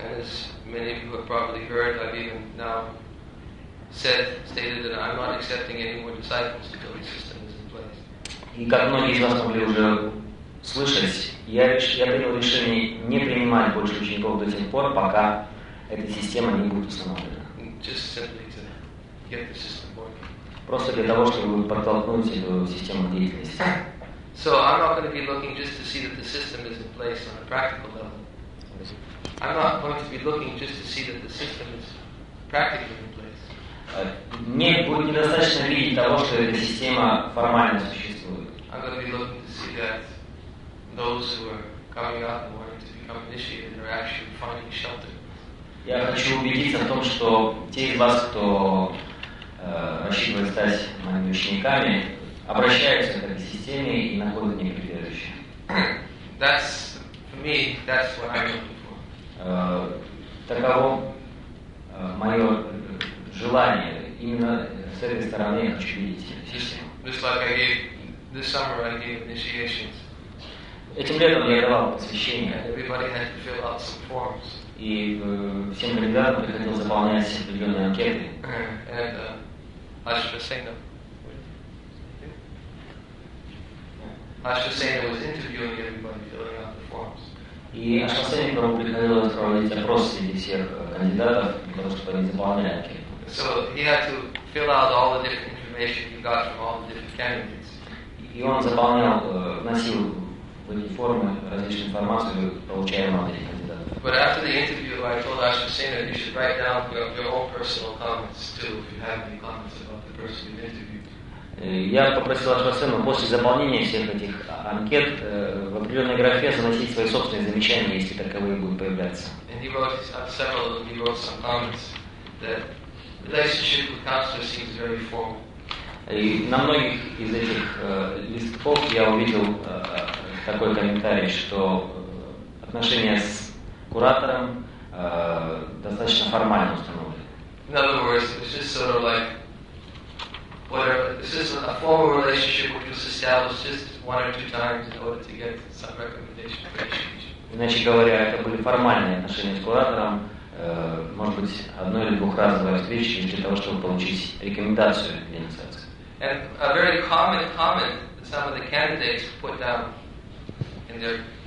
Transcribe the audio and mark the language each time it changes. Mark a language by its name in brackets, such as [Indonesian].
[English] As many of you have probably heard, I've even now stated that I'm not accepting any more disciples until the system is in place. [Russian] И как многие из вас могли уже слышать, я принял решение не принимать больше учеников до тех пор, пока эта система не будет установлена. [English] Just simply to get the system working. [Russian] Просто для того, чтобы подтолкнуть эту систему к деятельности. [English] So I'm not going to be looking just to see that the system is in place on a practical level. I'm not going to be looking just to see that the system is practically in place. [Russian] Мне будет недостаточно видеть того, что эта система формально существует. [English] I'm going to be looking to see that those who are coming up and wanting to become initiated are actually finding shelter. [Russian] Я хочу убедиться в том, что те из вас, кто рассчитывает стать моими учениками, обращаются к этой системе и находят в ней прибежище. [English] That's for me. That's what I'm looking for. [Russian] Таково мое желание. Именно с этой стороны я хочу видеть эту систему. [English] Just like I gave this summer, I gave initiations. [Russian] Этим летом я давал посвящение. [English] Everybody had to fill out some forms. [Russian] И всем кандидатам приходилось заполнять определенные анкеты. [English] And Ashva Sena. Ashva Sena was interviewing everybody, filling out the forms. [Russian] И Ashva Sena нам приходилось проводить опросы всех кандидатов, потому что они заполняли анкеты. [English] So he had to fill out all the different information he got from all the different candidates. [Russian] И он заполнял, носил в этой форме различную информацию, получаемую от этих кандидатов. [English] But after the interview, I told Ashva Sena, you should write down your own personal comments too, if you have any comments about the person you interviewed. [Russian] Я попросил Ashva Sena после заполнения всех этих анкет в определенной графе заносить свои собственные замечания, если таковые будут появляться. [English] And he wrote several of them. He wrote some comments that relationship with counselors seems very formal. [Russian] И на многих из этих листков я увидел такой комментарий, что отношения с куратором достаточно формально установлены. [English] In other words, it's just sort of like whatever. This is a formal relationship which was established just one or two times in order to get some recommendation for change. [Russian] Иначе говоря, это были формальные отношения с куратором, может быть, одно или двухразовые встречи для того, чтобы получить рекомендацию от инициации. [English] And a very common comment that some of the candidates put down in their